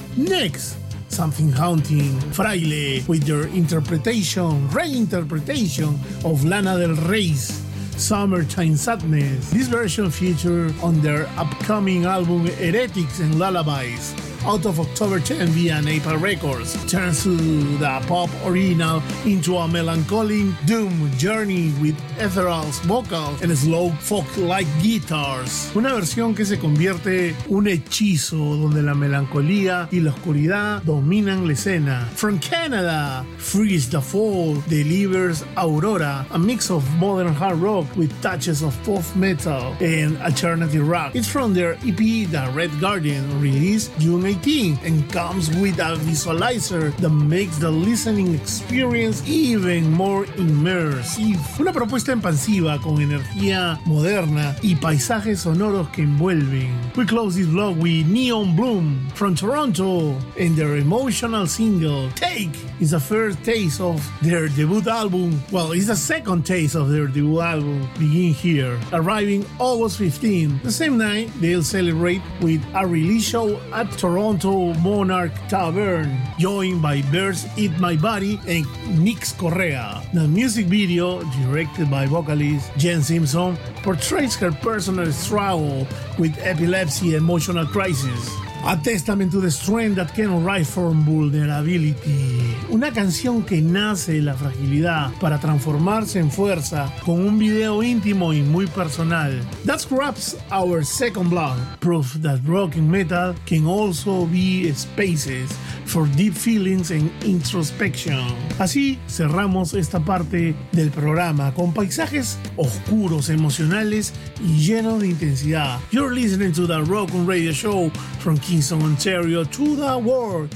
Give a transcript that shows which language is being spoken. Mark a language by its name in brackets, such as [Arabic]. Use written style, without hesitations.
[English] Next, Something Haunting, Fraile, with their interpretation, reinterpretation of Lana Del Rey's Summertime Sadness. This version featured on their upcoming album Heretics and Lullabies. out of October 10 via Napalm Records, turns to the pop original into a melancholic doom journey with ethereal's vocals and slow folk-like guitars. [Spanish] Una versión que se convierte un hechizo donde la melancolía y la oscuridad dominan la escena. [English] From Canada, Freeze the Fall delivers Aurora, a mix of modern hard rock with touches of pop metal and alternative rock. It's from their EP The Red Guardian, released June 18, and comes with a visualizer that makes the listening experience even more immersive. [Spanish] Una propuesta expansiva con energía moderna y paisajes sonoros que envuelven. [English] We close this vlog with Neon Bloom from Toronto and their emotional single Take is the first taste of their debut album. Well, it's the second taste of their debut album, Begin Here, arriving August 15. The same night, they'll celebrate with a release show at Toronto Monarch Tavern, joined by Birds Eat My Body and Nix Correa. The music video, directed by vocalist Jen Simpson, portrays her personal struggle with epilepsy and emotional crisis. A testament to the strength that can arise from vulnerability. [Spanish] Una canción que nace de la fragilidad para transformarse en fuerza con un video íntimo y muy personal. [English] That wraps our second blog. Proof that rock and metal can also be spaces for deep feelings and introspection. [Spanish] Así cerramos esta parte del programa con paisajes oscuros, emocionales y llenos de intensidad. [English] You're listening to the Rock and Radio Show from Kingston, Ontario to the world.